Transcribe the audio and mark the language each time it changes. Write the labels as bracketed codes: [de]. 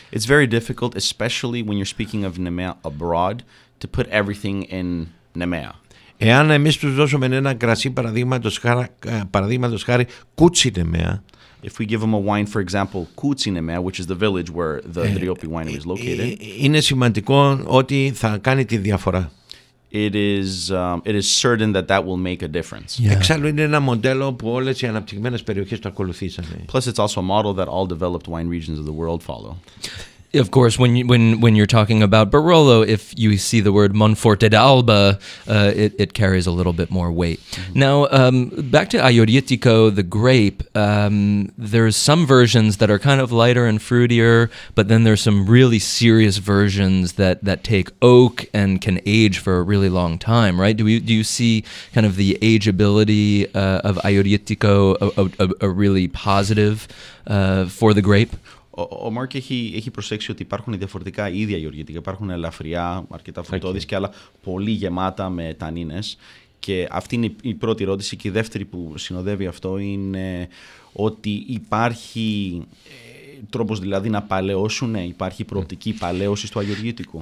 [en] It's very difficult, especially when you're speaking of Νεμαία abroad, to put everything in Νεμαία. [el] Εάν εμείς τους δώσουμε ένα κρασί, παραδείγματος χάρη, Κούτσι Νεμαία. [en] If we give them a wine, for example, Kutsi Nemea, which is the village where the Driopi winery is located, [el] είναι σημαντικό ότι θα κάνει τη διαφορά. [en] It is certain that that will make a difference. [el] Εξάλλου είναι ένα μοντέλο που όλες οι αναπτυγμένες περιοχές το ακολουθήσαν. [en] Plus, it's also a model that all developed wine regions of the world follow. Of course, when you're talking about Barolo, if you see the word Monforte d'Alba, it carries a little bit more weight. Mm-hmm. Now, back to Ayurietico, the grape, there's some versions that are kind of lighter and fruitier, but then there's some really serious versions that take oak and can age for a really long time, right? Do you see kind of the ageability of Ayurietico a really positive for the grape? [el] Ο Μάρκ έχει προσέξει ότι υπάρχουν διαφορετικά είδη αγιοργητικά. Υπάρχουν ελαφριά, αρκετά φρουτώδεις και άλλα πολύ γεμάτα με τανίνες. Και αυτή είναι η πρώτη ερώτηση. Και η δεύτερη που συνοδεύει αυτό είναι ότι υπάρχει τρόπος δηλαδή να παλαιώσουν, υπάρχει προοπτική παλαιώσης του αγιοργητικού.